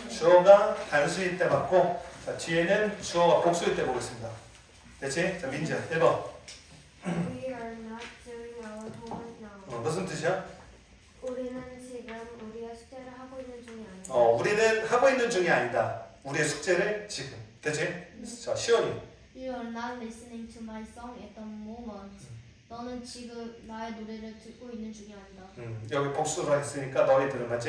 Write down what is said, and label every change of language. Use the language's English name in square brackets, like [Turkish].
[Korean] 주어가 단수일 때 맞고, 자, 뒤에는 주어가 복수일 때 보겠습니다. 됐지? 자, 민지야, 1번. [English] We are not doing our homework now. [Korean] 어, 무슨 뜻이야? 우리는 지금 우리의 숙제를 하고 있는 중이 아니다. 어, 우리는 하고 있는 중이 아니다. 우리의 숙제를 지금. 됐지? 네. 자, 시원이. [English] You are not listening to my song at the moment. [Korean] 너는 지금 나의 노래를 듣고 있는 중이 아니다. 여기 복수로 했으니까 너희들은 맞지?